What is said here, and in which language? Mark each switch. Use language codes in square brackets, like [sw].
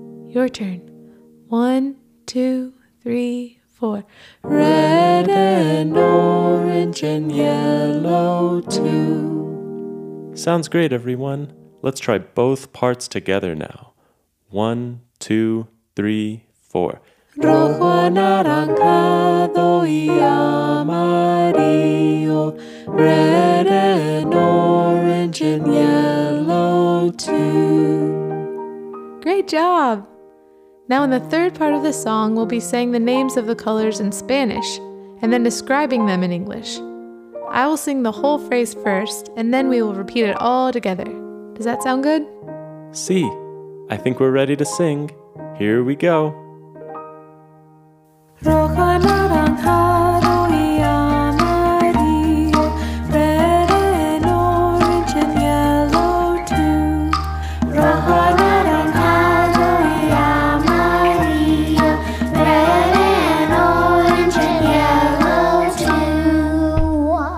[en] Your turn. 1, 2, 3, 4. Red and orange and yellow too. Sounds great, everyone. Let's try both parts together now. 1, 2, 3, 4. [es] Rojo, anaranjado y amarillo. [en] Red and orange and yellow too. Great job! Now in the third part of the song, we'll be saying the names of the colors in Spanish, and then describing them in English. I will sing the whole phrase first, and then we will repeat it all together. Does that sound good? [es] Sí. [en] I think we're ready to sing. Here we go. [es] Rojo, anaranjado y amarillo. [en] Red and orange and yellow too. [es] Rojo, anaranjado y amarillo. [en] Red and orange and yellow too.